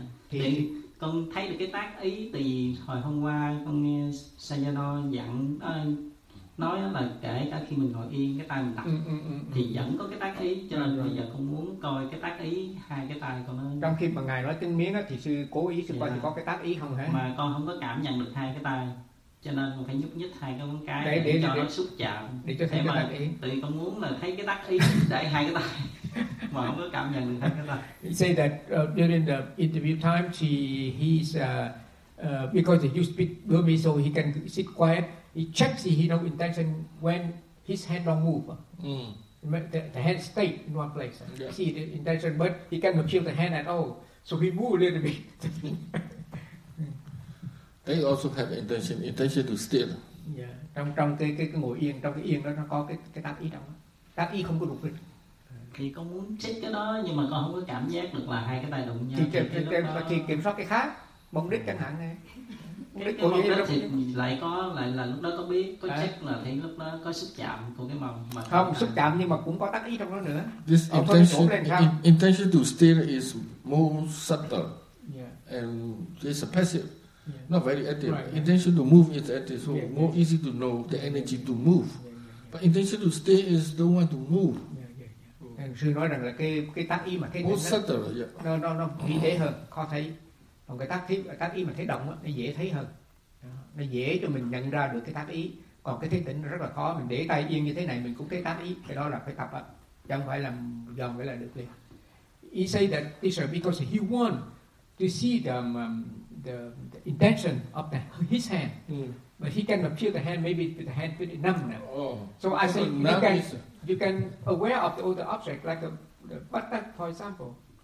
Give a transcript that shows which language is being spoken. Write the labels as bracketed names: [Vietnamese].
[Vietnamese] Thì con thấy được cái tác ý, tại vì hồi hôm qua con nghe Sayano dặn nói là kể cả khi mình ngồi yên cái tay mình đặt thì vẫn có cái tác ý, cho nên bây giờ con muốn coi cái tác ý hai cái tay con nó. Trong khi mà ngài nói tiếng Miếng á thì sư cố ý sư coi thì có cái tác ý không hả? Mà con không có cảm nhận được hai cái tay, cho nên con phải nhúc nhích hai cái ngón cái để cho nó xúc chạm để cho thấy cái tác ý. Tại con muốn là thấy cái tác ý để hai cái tay mà không có cảm nhận được hai cái tay. [English] Say that during the interview time she he's because you speak Burmese so he can sit quiet. He checks his no intention when his hand don't move. The hand stay in one place. Yeah. See the intention, but he cannot feel the hand at all. So he move a little bit. They also have intention to still. Yeah. [Vietnamese] Trong cái ngồi yên, trong cái yên đó nó có cái tác ý đó. Tác ý không có đụng. Thì con muốn check cái đó nhưng mà con không có cảm giác được là hai cái tay đụng nhau. Thì kiểm soát cái khác, mục đích chẳng hạn này. Lại là lúc đó có biết có chắc là thấy lúc đó có sức chạm của cái mầm mà không sức chạm nhưng mà cũng có tác ý trong đó nữa. [English] This intention to steal is more subtle and it's a passive, not very active. Right. Intention to move is active, so more easy to know the energy to move. But intention to steal is don't want to move. [Vietnamese] Sư nói rằng là cái tác ý mà cái [English] more subtle, [Vietnamese] nó vĩ thế hơn, khó thấy. Còn cái tác ý mà thấy động nó dễ thấy hơn, nó dễ cho mình nhận ra được cái tác ý. Còn cái thấy tỉnh rất là khó, mình để tay yên như thế này mình cũng thấy tác ý, cái đó là phải tập á, chẳng phải là dòm phải là được liền. [English] He say that this is because he want to see the intention of his hand, but he cannot feel the hand, maybe the hand pretty numb now. So I say you can aware of all the object like the butter for example.